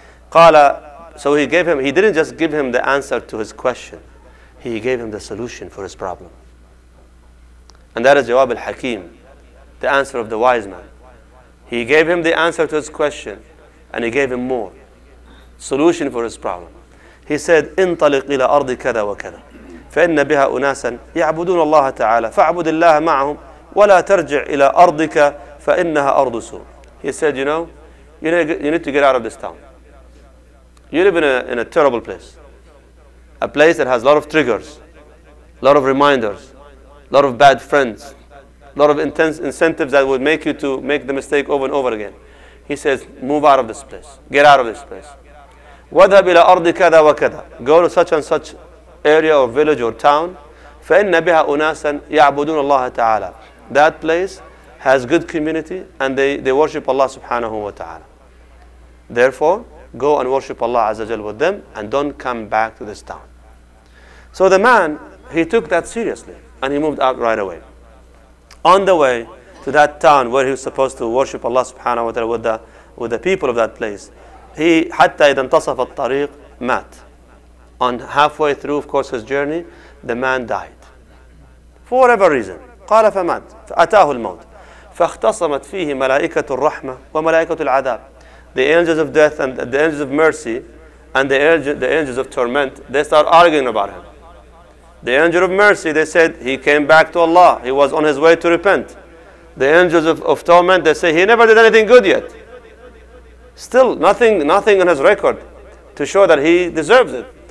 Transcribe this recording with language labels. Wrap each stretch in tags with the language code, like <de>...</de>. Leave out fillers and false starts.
<en>Qala, so he didn't just give him the answer to his question. He gave him the solution for his problem. And that is Jawab al-Hakim, the answer of the wise man. He gave him the answer to his question, and he gave him more. Solution for his problem.</en> <ar>He said, انطلق إلى أرض كذا وكذا. فإن بها أناسا يعبدون الله تعالى فاعبد الله معهم ولا ترجع إلى أرضك فإنها أرض سوء.</ar> <en>He said, you need to get out of this town. You live in a terrible place. A place that has a lot of triggers, a lot of reminders, a lot of bad friends, a lot of intense incentives that would make you to make the mistake over and over again. He says, move out of this place. Get out of this place.</en> <ar>وَذْهَبْ إِلَى أَرْضِ كَذَا وَكَذَا.</ar> <en>Go to such and such area or village or town.</en> <ar>فَإِنَّ بِهَا أُنَاسًا يَعْبُدُونَ اللَّهَ تَعَالَى.</ar> <en>That place has good community and they worship Allah subhanahu wa ta'ala. Therefore, go and worship Allah Azza Jal with them and don't come back to this town. So the man, he took that seriously and he moved out right away. On the way to that town where he was supposed to worship Allah subhanahu wa ta'ala with the people of that place, he,</en> <ar>حتى إذا انتصف الطريق, مات.</ar> <en>On halfway through, of course, his journey, the man died. For whatever reason.</en> <ar>قال فمات. فأتاه الموت. فاختصمت فيه ملائكة الرحمة وملائكة العذاب.</ar> <en>The angels of death and the angels of mercy and the angels of torment, they start arguing about him. The angel of mercy, they said, he came back to Allah. He was on his way to repent. The angels of torment, they say, he never did anything good yet. Still, nothing on his record to show that he deserves it.</en>